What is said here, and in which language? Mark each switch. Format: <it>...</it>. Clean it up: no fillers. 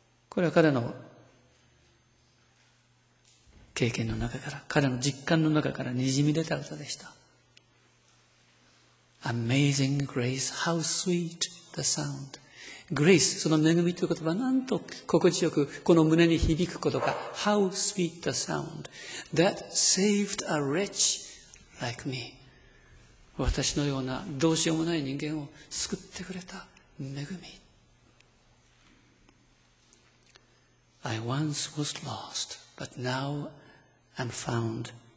<ja>これは彼の経験の中から、彼の実感の中からにじみ出た歌でした。</ja> <en>Amazing grace, how sweet the sound.</en> <ja>Grace, その恵みという言葉、なんと心地よくこの胸に響くことか。</ja> <en>How sweet the sound that saved a wretch like me.</en> <ja>私のようなどうしようもない人間を救ってくれた恵み。</ja> <en>I once was lost, but now I'm found.</en>